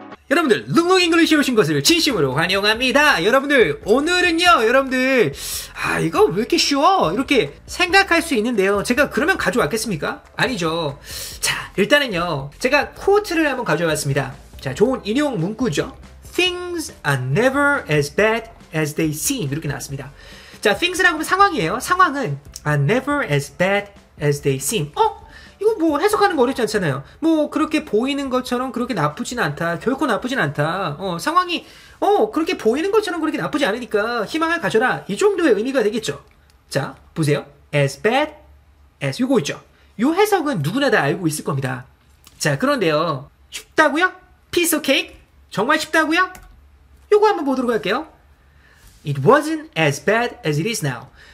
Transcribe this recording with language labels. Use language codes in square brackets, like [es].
[ko] 여러분들 능동 잉글리시에 오신 것을 진심으로 환영합니다. 여러분들 오늘은요 여러분들 아 이거 왜 이렇게 쉬워 이렇게 생각할 수 있는데요 제가 그러면 가져왔겠습니까? 아니죠. 자 일단은요 제가 코트를 한번 가져왔습니다. 자 좋은 인용 문구죠. [en] Things are never as bad as they seem [ko] 이렇게 나왔습니다. 자 things라고 하면 상황이에요. 상황은 [en] are never as bad as they seem. [ko] 어? 이거 뭐 해석하는 거 어렵지 않잖아요. 뭐 그렇게 보이는 것처럼 그렇게 나쁘진 않다. 결코 나쁘진 않다. 상황이 그렇게 보이는 것처럼 그렇게 나쁘지 않으니까 희망을 가져라. 이 정도의 의미가 되겠죠. 자, 보세요. [en] As bad as [ko] 이거 있죠. 이 해석은 누구나 다 알고 있을 겁니다. 자, 그런데요. 쉽다고요? [en] Piece of cake? [ko] 정말 쉽다고요? 이거 한번 보도록 할게요. [en] It wasn't as bad as it is now.